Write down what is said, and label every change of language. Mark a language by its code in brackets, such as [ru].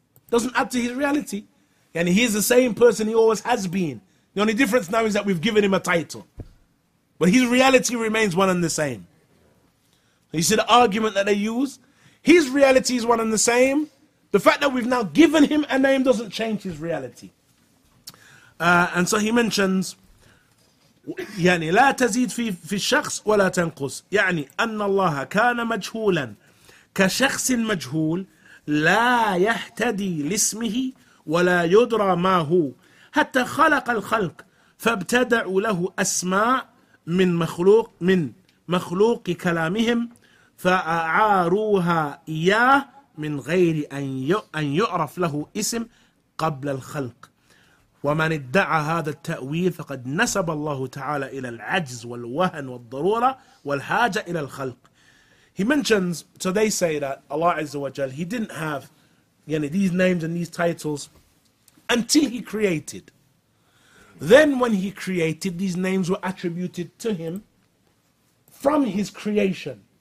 [en] Doesn't add to his reality. And he is the same person he always has been. The only difference now is that we've given him a title. But his reality remains one and the same. You see the argument that they use? His reality is one and the same. The fact that we've now given him a name doesn't change his reality. And so he mentions, [ar] يعني لا تزيد في الشخص ولا تنقص يعني أن الله كان مجهولا كشخص مجهول لا يهتدي لاسمه ولا يدرى ما هو حتى خلق الخلق فابتدعوا له أسماء من مخلوق كلامهم فأعاروها إياه من غير أن يعرف له اسم قبل الخلق وَمَنِ ادَّعَ هَذَا التَّأْوِيلِ فَقَدْ نَسَبَ اللَّهُ تَعَالَى إِلَى الْعَجْزِ وَالْوَهَنِ وَالضَّرُورَةِ وَالْحَاجَ إِلَى الْخَلْقِ. [en] He mentions, so they say that Allah Azza wa Jal, he didn't have these names and these titles until he created. Then when he created, these names were attributed to him from his creation.